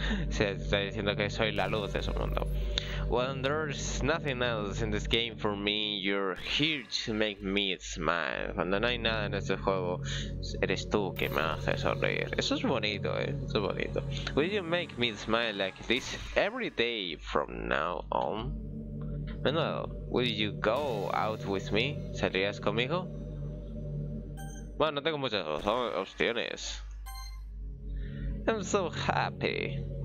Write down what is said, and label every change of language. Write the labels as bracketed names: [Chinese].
[Spanish] Se está diciendo que soy la luz de su mundo. [English] Well, there's nothing else in this game for me. You're here to make me smile. [Spanish] Cuando no hay nada en este juego, eres tú que me hace sonreír. Eso es bonito, eso es bonito. [English] Will you make me smile like this every day from now on? Manuel, will you go out with me? [Spanish] ¿Salirías conmigo? Bueno, no tengo muchas opciones. [English] I'm so happy.